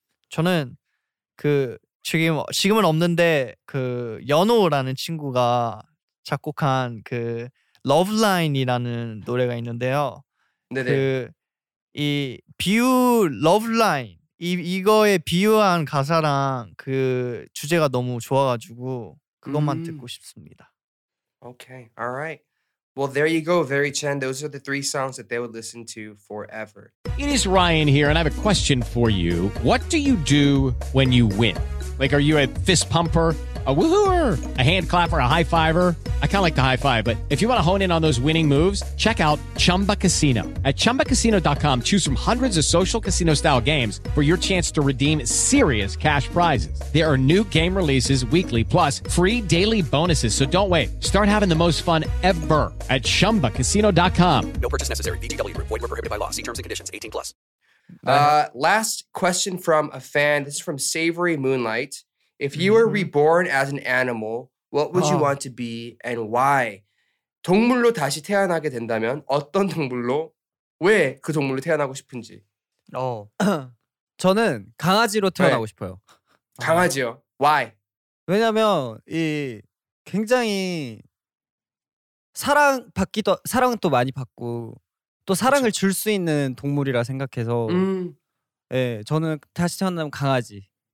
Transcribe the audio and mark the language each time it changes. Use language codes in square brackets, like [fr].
[ko] 저는 그 지금은 없는데 그 연호라는 친구가 작곡한 그 Love Line이라는 노래가 있는데요. 네네. 그 이 비유 Love Line 이거에 비유한 가사랑 그 주제가 너무 좋아가지고 그것만 듣고 싶습니다. [en] Okay, all right. Well, there you go, Very Chen. Those are the three songs that they would listen to forever. It is Ryan here, and I have a question for you. What do you do when you win? Like, are you a fist pumper, a woohooer, a hand clapper, a high fiver? I kind of like the high five, but if you want to hone in on those winning moves, check out Chumba Casino. At chumbacasino.com, choose from hundreds of social casino style games for your chance to redeem serious cash prizes. There are new game releases weekly, plus free daily bonuses. So don't wait. Start having the most fun ever at chumbacasino.com. No purchase necessary. VGW. Void or prohibited by law. See terms and conditions 18 plus. Last question from a fan. This is from Savory Moonlight. If you were reborn as an animal, what would you want to be and why? [ko] 동물로 다시 태어나게 된다면 어떤 동물로 왜 그 동물로 태어나고 싶은지. 저는 강아지로 태어나고 네. 싶어요. 강아지요? [en] Why? [ko] 왜냐면 이 굉장히 사랑도 많이 받고 또 사랑을 줄 수 있는 동물이라 생각해서 예, 저는 다시 태어나면 강아지.